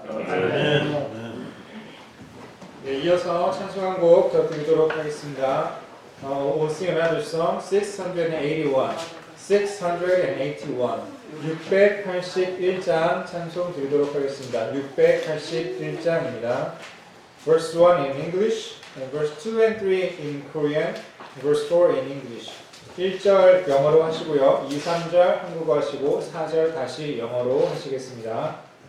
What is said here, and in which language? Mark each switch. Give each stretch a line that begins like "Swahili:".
Korean: 아멘. 네, 이어서 찬송한 곡 더 드리도록 하겠습니다.
English: We'll sing another song, 681.
Korean: 681장 찬송 드리도록 하겠습니다. 681장입니다.
English: Verse 1 in English, and verse 2 and 3 in Korean, verse 4 in English.
Korean: 1절 영어로 하시고요, 2, 3절 한국어 하시고, 4절 다시 영어로 하시겠습니다.